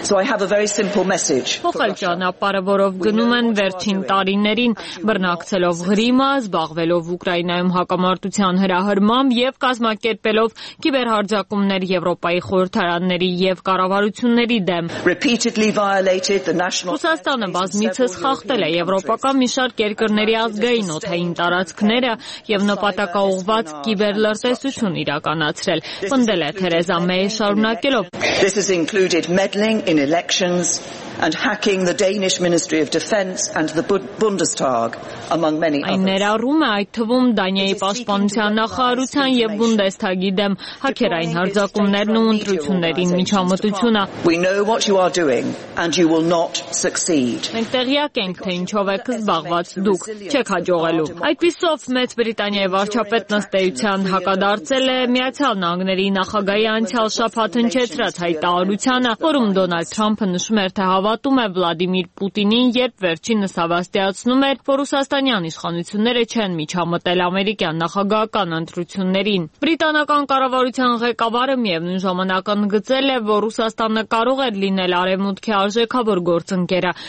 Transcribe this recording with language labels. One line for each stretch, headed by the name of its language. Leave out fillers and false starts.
Armenian: Փոխել ճանապարհը, որով գնում են վերջին տարիներին, բռնակցելով Ղրիմը, զբաղվելով Ուկրաինայում հակամարտության հրահրմամբ և կազմակերպելով կիբերհարձակումներ Եվրոպայի խորհրդարանների և կառավարությունների դեմ։ Ռուսաստանը բազմիցս խախտել է եվրոպական մի շարք երկրների ազգային օթային տարածքները և նպատակաուղված կիբերլրտեսություն իրականացրել, պնդել է Թերեզա Մեյը շարունակելով.
English: This has included meddling in elections and hacking the Danish Ministry of Defence and the Bundestag, among many others.
Armenian: Այն ներառում է այդ թվում Դանիայի պաշտպանության նախարարության և Բունդեսթագի դեմ հակերային հարձակումներն ու ընտրություններին միջամտությունը։
English: We know what you are doing and you will not succeed.
Armenian: Մենք տեղյակ ենք, թե ինչով եք զբաղված, դուք չեք հաջողելու։ Այդպիսով Մեծ Բրիտանիայի վարչապետն ըստ էության հակադարձել է Միացյալ Նահանգների նախագահի անցյալ շաբաթ հնչեցրած հայտարարությանը, որում Դոնալդ Թրամփը նշում էր, թե հավատում է Վլադիմիր Պուտինին, երբ վերջինս հավաստիացնում էր, որ ռուսաստանյան իշխանությունները չեն միջամտել ամերիկյան նախագահական ընտրություններին։ Բրիտանական կառավարության ղեկավարը միևնույն ժամանակ ընդգծել է, որ Ռուսաստանը կարող էր լինել արևմուտքի արժեքավոր գործընկերը,